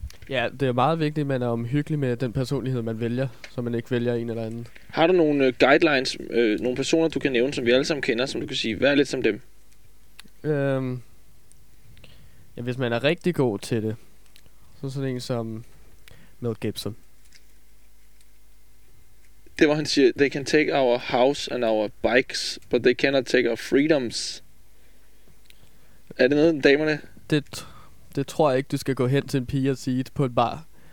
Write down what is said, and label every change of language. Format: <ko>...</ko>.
<da>Ja, det er meget vigtigt, at man er omhyggelig med den personlighed, man vælger, så man ikke vælger en eller anden. Har du nogle guidelines, nogle personer, du kan nævne, som vi alle sammen kender, som du kan sige, vær lidt som dem? Ja, hvis man er rigtig god til det, så er sådan en som Mel Gibson. Det var han siger,</da> <en>they can take our house and our bikes, but they cannot take our freedoms.</en> <da>Er det noget, damerne? Det tror jeg ikke, du skal gå hen til en pige og sige det på en bar.</da>